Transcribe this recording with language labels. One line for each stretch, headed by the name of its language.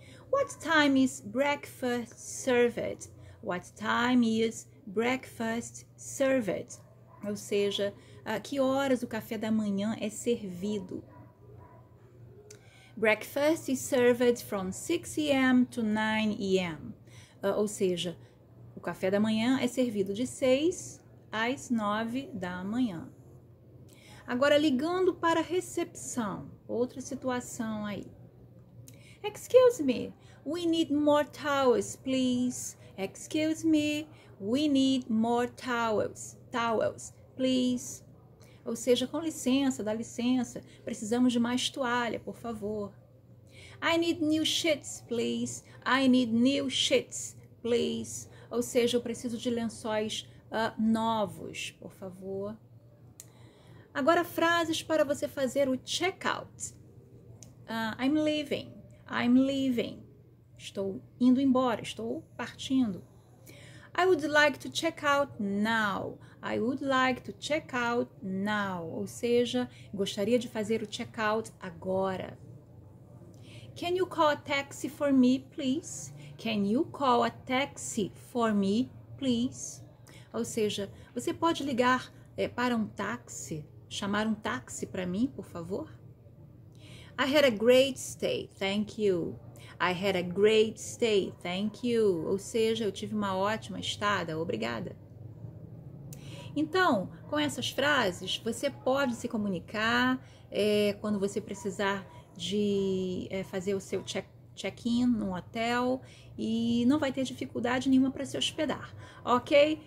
English: What time is breakfast served? What time is breakfast served?
Portuguese: Ou seja, a que horas o café da manhã é servido?
English: Breakfast is served from 6 a.m. to 9 a.m.
Portuguese: Ou seja, o café da manhã é servido de 6 às 9 da manhã. Agora, ligando para a recepção, outra situação aí.
English: Excuse me, we need more towels, please. Excuse me, we need more towels. Towels, please.
Portuguese: Ou seja, com licença, dá licença. Precisamos de mais toalha, por favor.
English: I need new sheets, please. I need new sheets, please.
Portuguese: Ou seja, eu preciso de lençóis novos, por favor. Agora, frases para você fazer o checkout.
English: I'm leaving. I'm leaving.
Portuguese: Estou indo embora, estou partindo.
English: I would like to check out now. I would like to check out now.
Portuguese: Ou seja, gostaria de fazer o checkout agora.
English: Can you call a taxi for me, please? Can you call a taxi for me, please?
Portuguese: Ou seja, você pode ligar para um táxi? Chamar um táxi para mim, por favor?
English: I had a great stay, thank you. I had a great stay, thank you.
Portuguese: Ou seja, eu tive uma ótima estada, obrigada. Então, com essas frases, você pode se comunicar quando você precisar de fazer o seu check-in no hotel e não vai ter dificuldade nenhuma para se hospedar, ok?